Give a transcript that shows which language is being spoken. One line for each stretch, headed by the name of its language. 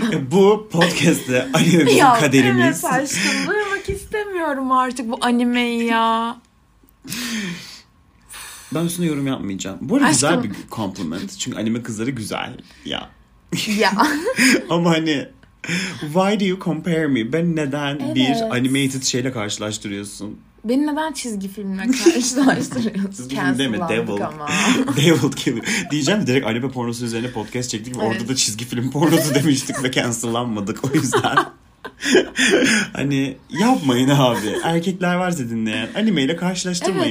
Turkish: Bu podcast'te anime bizim ya, kaderimiz. Evet aşkım duymak istemiyorum artık bu animeyi ya. Ben üstüne yorum yapmayacağım. Bu arada aşkım. Güzel bir compliment. Çünkü anime kızları güzel ya. Ya. Ama hani
English: why do you compare me?
Turkish: Ben neden evet. bir animated şeyle karşılaştırıyorsun? Beni neden çizgi filmle karşılaştırıyorsun? Çizgi film değil mi? Devil. Devil gibi. Diyeceğim de direkt anime pornosu üzerine podcast çektik. Evet. Orada da çizgi film pornosu demiştik ve cancel'lanmadık. O yüzden. Hani yapmayın abi. Erkekler varsa dinleyen. Animeyle karşılaştırmayın